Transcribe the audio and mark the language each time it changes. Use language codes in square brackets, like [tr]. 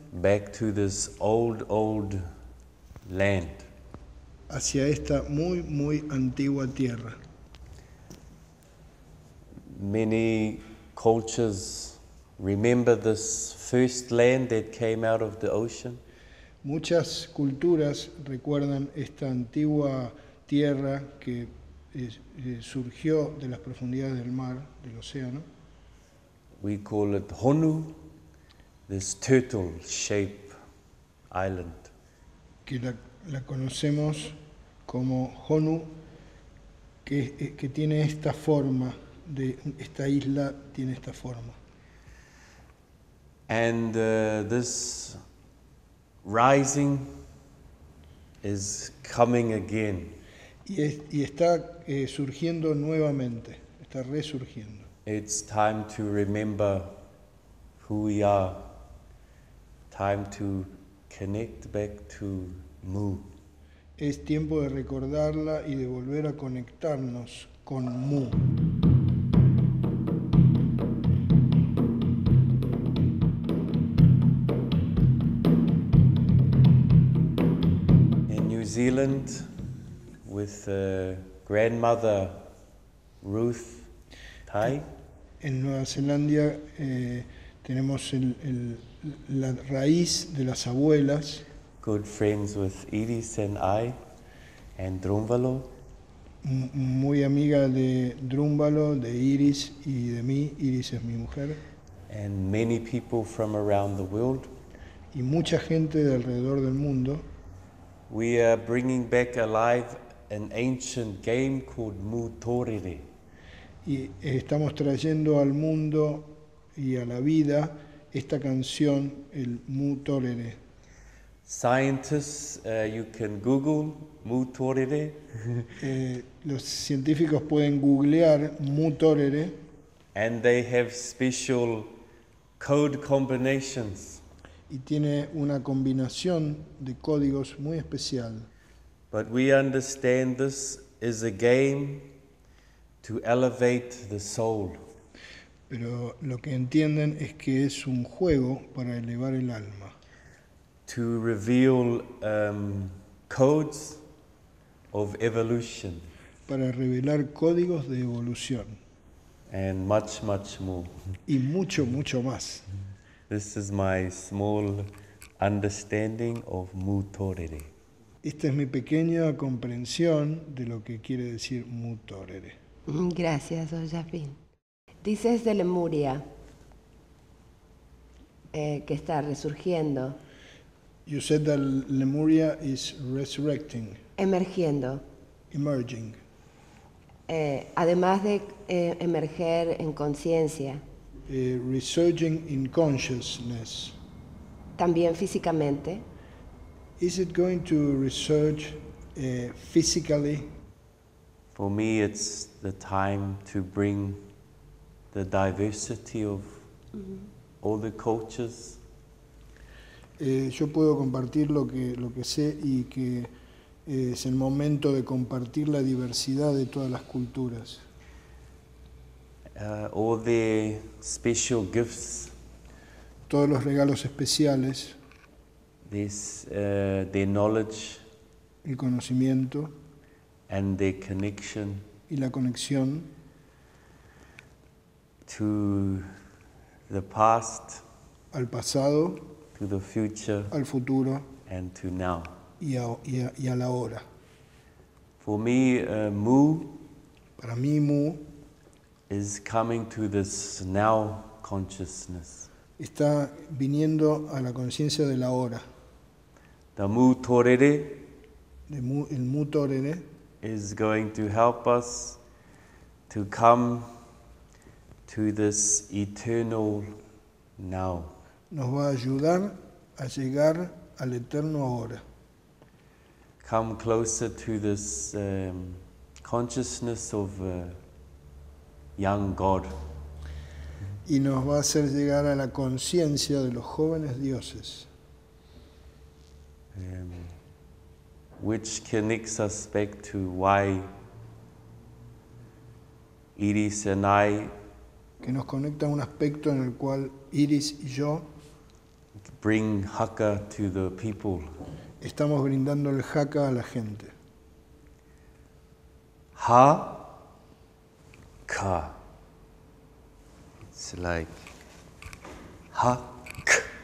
[en] back to this old, old land. [es] Hacia esta muy, muy antigua tierra. [en] Many cultures remember this first land that came out of the ocean. [es] Muchas culturas recuerdan esta antigua tierra que surgió de las profundidades del mar, del océano. [en] We call it Honu, this turtle-shaped island. [es] Que la conocemos como Honu, que tiene esta forma, de esta isla tiene esta forma. [en] And this rising is coming again. [es] Y está surgiendo nuevamente, está resurgiendo. [en] It's time to remember who we are. Time to connect back to Mu. [es] Es tiempo de recordarla y de volver a conectarnos con Mu. [en] In New Zealand, with grandmother Ruth Tai. [es] En Nueva Zelanda tenemos la raíz de las abuelas. [en] Good friends with Iris and I and Drumvalo. [es] Muy amiga de Drumvalo, de Iris y de mí. Iris es mi mujer. [en] And many people from around the world. [es] Y mucha gente de alrededor del mundo. [en] We are bringing back alive an ancient game called Mutorire. [es] Y estamos trayendo al mundo y a la vida esta canción, el Mutorire. [en] Scientists, you can Google Mutorire. [es] Los científicos pueden googlear Mutorire. [en] And they have special code combinations. [es] Y tiene una combinación de códigos muy especial. [en] But we understand this is a game to elevate the soul. [es] Pero lo que entienden es que es un juego para elevar el alma. [en] To reveal codes of evolution. [es] Para revelar códigos de evolución. [en] And much, much more. [es] Y mucho, mucho más. [en] This is my small understanding of Mutorire. [es] Esta es mi pequeña comprensión de lo que quiere decir Mutorere. Gracias, Ollafín. Dices de Lemuria, que está resurgiendo. [en] You said that Lemuria is resurrecting. [es] Emergiendo. [en] Emerging. [es] Además de emerger en conciencia. [en] Resurging in consciousness. [es] También físicamente. [en] Is it going to resurge physically? For me, it's the time to bring the diversity of all the cultures. [es] Yo puedo compartir lo que sé y que es el momento de compartir la diversidad de todas las culturas. [en] All the special gifts. [es] Todos los regalos especiales. [en] This, the knowledge. [es] El conocimiento. [en] And the connection. [es] Y la conexión. [en] To the past. [es] Al pasado. [en] To the future. [es] Al futuro. [en] And to now. [es] Y a la hora. [en] For me, mu. [es] Para mí, mu. [en] Is coming to this now consciousness. [es] Está viniendo a la conciencia de la hora. [en] The mu torere. [es] El mu torere. [en] Is going to help us to come to this eternal now. [es] Nos va a ayudar a llegar al eterno ahora. [en] Come closer to this consciousness of young God. [es] Y nos va a hacer llegar a la conciencia de los jóvenes dioses. [en] Which connects us back to why Iris and I. [es] Que nos conecta a un aspecto en el cual Iris y yo. [en] Bring haka to the people. [es] Estamos brindando el haka a la gente. [en] Ha-ka. It's like ha-k-ka.